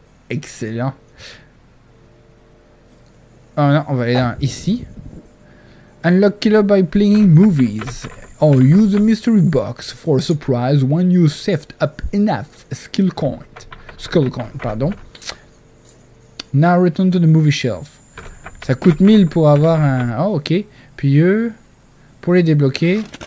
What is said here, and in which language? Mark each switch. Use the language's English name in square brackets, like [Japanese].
[French] Excellent. Oh non, on va aller dans ici. [English] Unlock killer by playing movies. Or use a mystery box for a surprise when you saved up enough skill coin. Skill coin, pardon. Now return to the movie shelf. [French] Ça coûte 1000 pour avoir un... Oh, ok. Puis eux, pour les débloquer.